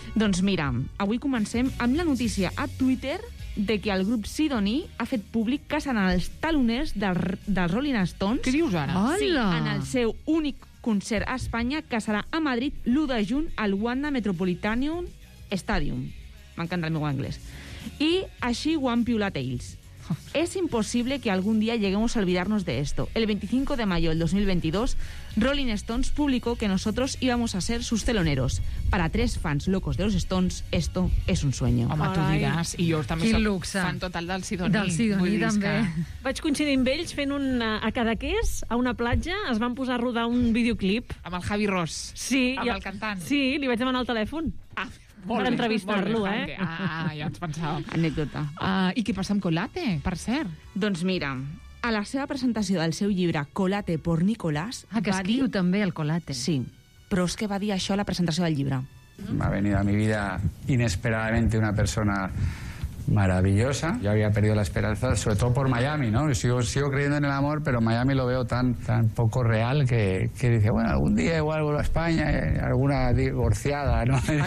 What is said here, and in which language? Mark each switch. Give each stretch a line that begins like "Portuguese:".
Catalan: Doncs mira, avui comencem amb la notícia a Twitter de que el grup Sidoní ha fet públic que seran els taloners dels Rolling Stones. Què dius ara? Sí, en el seu únic concert a Espanya, que serà a Madrid l'1 de juny al Wanda Metropolitanium Stadium. M'encanta el meu anglès. I així ho han piulat ells. És impossible que algun dia
Spanish: lleguemos a olvidarnos de esto. El 25 de mayo del 2022, Rolling Stones publicó que nosotros íbamos a ser sus teloneros. Para tres fans locos de los Stones, esto es un sueño.
Catalan: Home, tu diràs. I jo també soc fan total del Sidoní. Del Sidoní, també. Vaig coincidir amb ells fent un a Cadaqués, a una platja. Es van posar a rodar un videoclip. Amb el Javi Ros. Sí. Amb el cantant. Sí, li vaig demanar el telèfon. Ah, per entrevistar-lo, eh? Ah, ja ens pensàvem. Anècdota. I què passa amb Colate, per cert? Doncs mira, a la seva presentació del seu llibre Colate por Nicolás... Ah, que escriu dir... també el Colate. Sí, però és que va dir això a la presentació del llibre.
Spanish: M'ha venido a mi vida inesperadamente una persona maravillosa. Yo había perdido la esperanza, sobre todo por Miami, ¿no? Sigo creyendo en el amor, pero Miami lo veo tan poco real que dice, bueno, algún día igual vuelvo a España, alguna divorciada, ¿no?